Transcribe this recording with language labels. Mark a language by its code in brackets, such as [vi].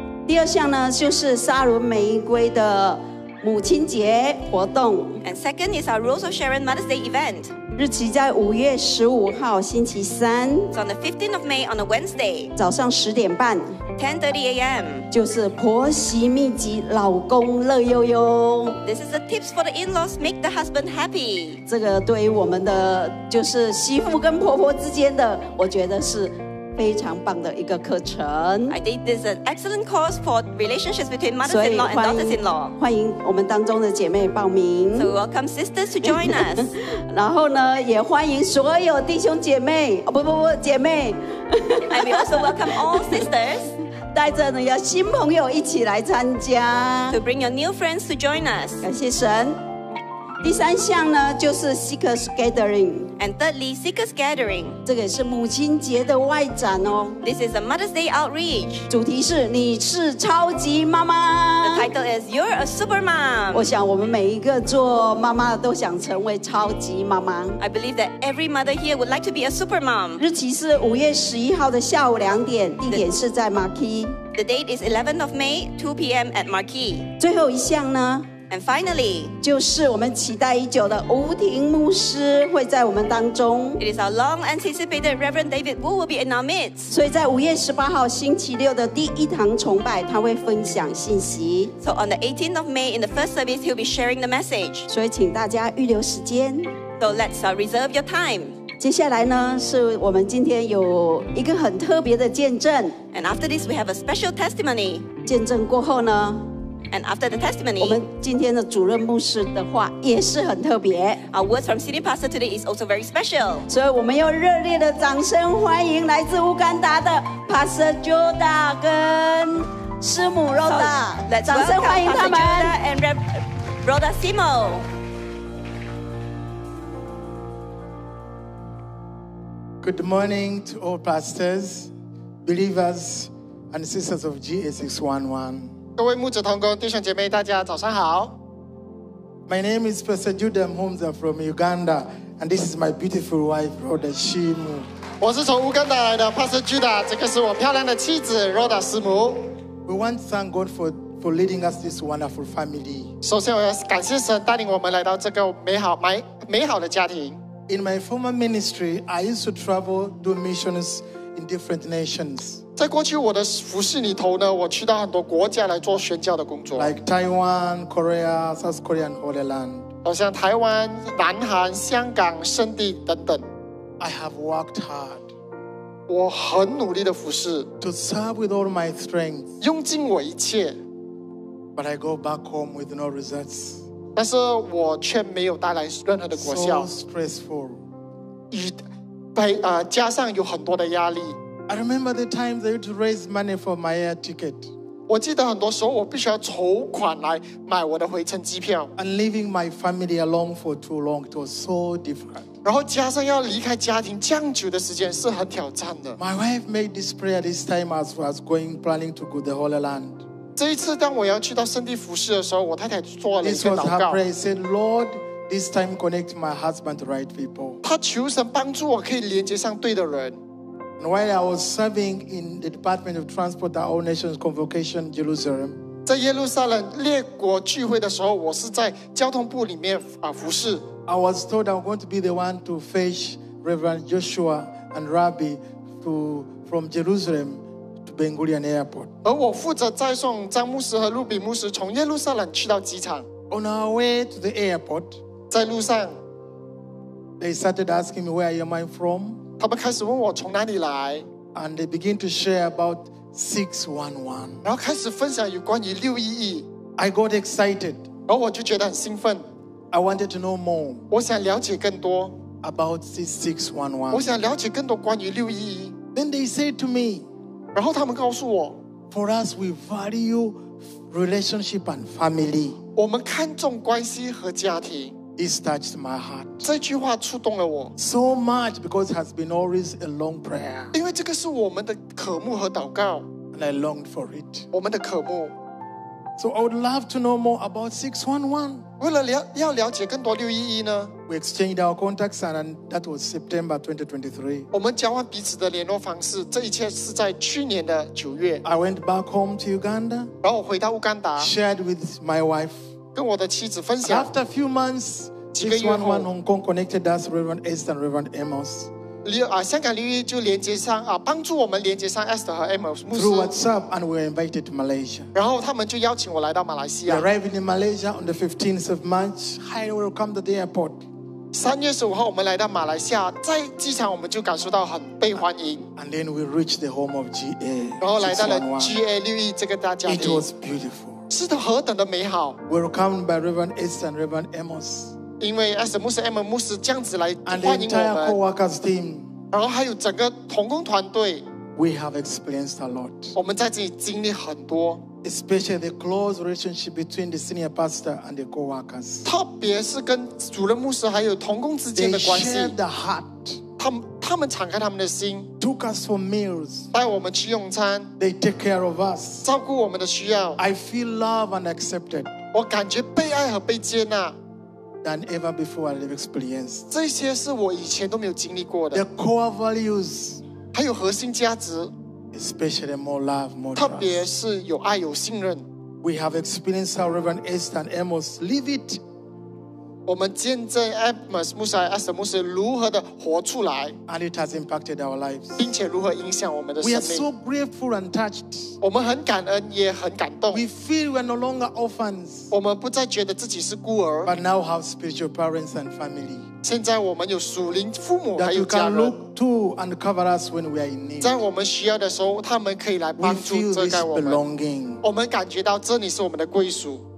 [zh] 第二项呢，就是沙伦玫瑰的母亲节活动。 [en] And second is our Rose of Sharon Mother's Day event. [zh] 日期在5月15号星期三。 [en] It's on the 15th of May on a Wednesday. [zh] 早上10点半。 [en] 10:30 a.m. [zh] 就是婆媳秘籍，老公乐悠悠。 [en] This is the tips for the in-laws make the husband happy. [zh] 这个对于我们的就是媳妇跟婆婆之间的，我觉得是非常棒的一个课程。 [en] I think this is an excellent course for relationships between mothers-in-law and daughters-in-law. [zh] 欢迎我们当中的姐妹报名。 [en] So welcome sisters to join us. [zh] 然后呢，也欢迎所有弟兄姐妹，哦、不，姐妹。 [en] And we also welcome all sisters. [zh] 带着你的新朋友一起来参加 [en] To bring your new friends to join us [zh] 感谢神第三项呢就是 Seekers Gathering [en] And thirdly, Seekers Gathering [zh] 这个也是母亲节的外展哦 [en] This is a Mother's Day Outreach [zh] 主题是你是超级妈妈 [en] The title is You're a Supermom [zh] 我想我们每一个做妈妈都想成为超级妈妈 [en] I believe that every mother here would like to be a supermom [zh] 日期是5月11号的下午2点地点是在 Marquee [en] The date is 11th of May, 2 p.m. at Marquee [zh] 最后一项呢 [en] And finally, [zh] 就是我们期待已久的吴婷牧师会在我们当中。 [en] It is our long anticipated Reverend David Wu will be in our midst. [zh] 所以在5月18号星期六的第一堂崇拜，他会分享信息。 [en] So on the 18th of May, in the first service, he'll be sharing the message. [zh] 所以请大家预留时间。 [en] So let's reserve your time. [zh] 接下来呢，是我们今天有一个很特别的见证。 [en] And after this, we have a special testimony. [zh] 见证过后呢 [en] ，And after the testimony, [zh] 我们今天的主任牧师的话也是很特别。 [en] Our words from City Pastor today is also very special. [zh] 所以我们要热烈的掌声欢迎来自乌干达的 Pastor Joda 跟师母 Rhoda。 So, 掌声欢迎他们 ，Pastor Joda and Rev. Rhoda Simo。 [en] Good morning to all pastors, believers, and sisters of GA611. [zh] 各位牧者同工弟兄姐妹，大家早上好。 [en] My name is Pastor Judah Mhunza from Uganda, and this is my beautiful wife, Rhoda Simo. [zh] 我是从乌干达来的 Pastor Judah, 这个是我漂亮的妻子 Rhoda Simo. [en] We want to thank God for leading us this wonderful family. [zh] 首先，我要感谢神带领我们来到这个美好的家庭。 [en] In my former ministry, I used to travel do missions in different nations. [zh] 在过去我的服事里头呢，我去到很多国家来做宣教的工作。 [en] Like Taiwan, Korea, South Korea, and Holy Land. [zh] 好像台湾、南韩、香港、圣地等等。 [en] I have worked hard. [zh] 我很努力的服事。 [en] To serve with all my strength. [zh] 用尽我一切。 [en] But I go back home with no results. [zh] 但是我却没有带来任何的果效。 [en] So stressful. [zh] 加上有很多的压力。 [en] I remember the times I used to raise money for my air ticket. [zh] 我记得很多时候我必须要筹款来买我的回程机票。 [en] And leaving my family alone for too long, it was so difficult. [zh] 然后加上要离开家庭这样久的时间是很挑战的。 [en] My wife made this prayer this time as I was planning to go to the Holy Land. [zh] 这一次当我要去到圣地服事的时候我太太做了一个祷告 [en] This was her prayer. She said, Lord, this time connect my husband to right people. [zh] 她求神帮助我可以连接上对的人 [en] And while I was serving in the Department of Transport at All Nations Convocation Jerusalem [zh] 在耶路撒冷列国聚会的时候我是在交通部里面服事 [en] I was told I'm going to be the one to fetch Reverend Joshua and Rabbi from Jerusalem. Ben-Gurion Airport. [zh] 而我负责载送张牧师和路比牧师从耶路撒冷去到机场。 [en] On our way to the airport, [zh] 在路上 [en] they started asking me where am I from. [zh] 他们开始问我从哪里来。 [en] And they begin to share about 611. [zh] 然后开始分享有关于611。 [en] I got excited. [zh] 而我就觉得很兴奋。 [en] I wanted to know more. [zh] 我想了解更多 [en] about 611. [zh] 我想了解更多关于611。 [en] Then they said to me. [zh] 然后他们告诉我 [en] For us, we value relationship and family. [zh] 我们看重关系和家庭 [en] It touched my heart. [zh] 这句话触动了我 [en] So much because it has been always a long prayer. [zh] 因为这个是我们的渴慕和祷告 [en] And I longed for it. [zh] 我们的渴慕 [en] So I would love to know more about 611. [zh] 为了要了解更多611呢 [en] We exchanged our contacts and that was September 2023. [zh] 我们交换彼此的联络方式这一切是在去年的9月。 [en] I went back home to Uganda. [zh] 然后我回到乌干达。 [en] Shared with my wife. [zh] 跟我的妻子分享。 [en] After a few months, 611 Hong Kong connected us Reverend Esther and Reverend Amos. [zh] 香港611就连接上帮助我们连接上 Esther 和 Amos 牧师 [en] through WhatsApp and we were invited to Malaysia [zh] 然后他们就邀请我来到马来西亚 [en] arriving in Malaysia on the 15th of March highly welcome to the airport [zh] 3月15号我们来到马来西亚在机场我们就感受到很被欢迎 [en] and then we reached the home of GA [zh] 然后来到了 GA611 这个大家庭 [en] it was beautiful [zh] 是的何等的美好 [en] welcomed by Reverend Esther and Reverend Amos [zh] 因为 Esther 牧师、Emma 牧师这样子来欢迎我们 [en] and the entire co-workers team [zh] 然后还有整个同工团队 [en] we have experienced a lot [zh] 我们在这里经历很多 [en] especially the close relationship between the senior pastor and the co-workers [zh] 特别是跟主任牧师还有同工之间的关系 [en] they shared the heart [zh] 他们敞开他们的心 [en] took us for meals [zh] 带我们去用餐 [en] they take care of us [zh] 照顾我们的需要 [en] I feel loved and accepted [zh] 我感觉被爱和被接纳 [en] Than ever before I've experienced. [zh] 这些是我以前都没有经历过的 [en] The core values, [zh] 还有核心价值 [en] especially more love, more trust. [zh] 特别是有爱有信任 [en] we have experienced how Reverend Esther and Amos live it. [zh] 我们见证 Amos 牧师、Esther 牧师如何的活出来， [en] and it has impacted our lives. [zh] 并且如何影响我们的生命。 [en] We are so grateful and touched. [zh] 我们很感恩，也很感动。 [en] We feel we are no longer orphans. [zh] 我们不再觉得自己是孤儿。 [en] But now have spiritual parents and family. [zh] 现在我们有属灵父母还有家人。 [en] That you can look to and cover us when we are in need. [zh] 在我们需要的时候，他们可以来帮助遮盖我们。 [en] We feel this belonging. [zh] 我们感觉到这里是我们的归属。